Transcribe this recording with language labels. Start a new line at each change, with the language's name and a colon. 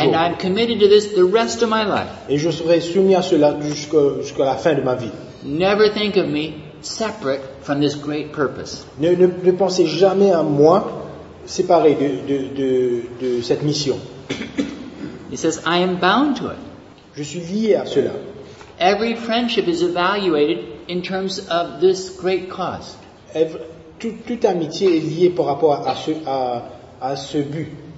English: And I'm committed to this the rest of my life.
French: Et je serai soumis à cela jusqu'à la fin de ma vie.
English: Never think of me separate from this great purpose.
French: Ne pensez jamais à moi séparé de cette mission.
English: He says, I am bound to it.
French: Je suis lié à cela.
English: Every friendship is evaluated in terms of this great cause.
French: Toute amitié est liée par rapport à ce but.